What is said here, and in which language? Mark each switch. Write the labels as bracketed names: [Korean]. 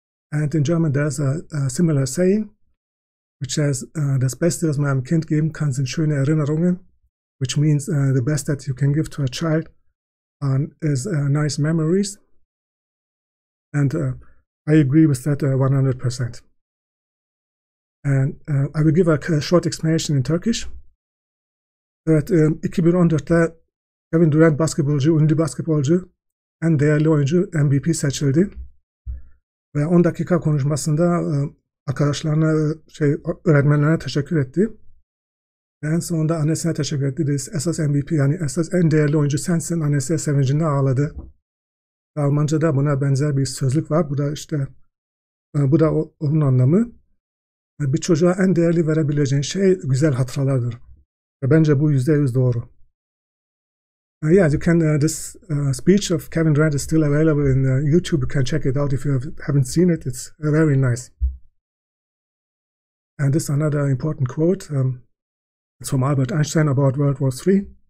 [English] And in German, there's a similar saying, which says, [German] das Beste, was meinem Kind geben kann, sind schöne Erinnerungen, [English] which means the best that you can give to a child is nice memories. And I agree with that 100%. And I will give a short explanation in Turkish. [Turkish] Evet, 2014'te Kevin Durant basketbolcu, ünlü basketbolcu en değerli oyuncu MVP seçildi. Ve 10 dakika konuşmasında arkadaşlarına, öğretmenlerine teşekkür etti. Ve en sonunda annesine teşekkür etti. Esas MVP, yani esas en değerli oyuncu sensin. Annesi sevincinden ağladı. Ve Almanca'da buna benzer bir sözlük var. Bu da işte, bu da onun anlamı. Bir çocuğa en değerli verebileceğin şey güzel hatıralardır. Ve bence bu %100 doğru. [English] Yeah, you can. This speech of Kevin Durant is still available in YouTube. You can check it out if you haven't seen it. It's very nice. And this is another important quote. It's from Albert Einstein about World War III.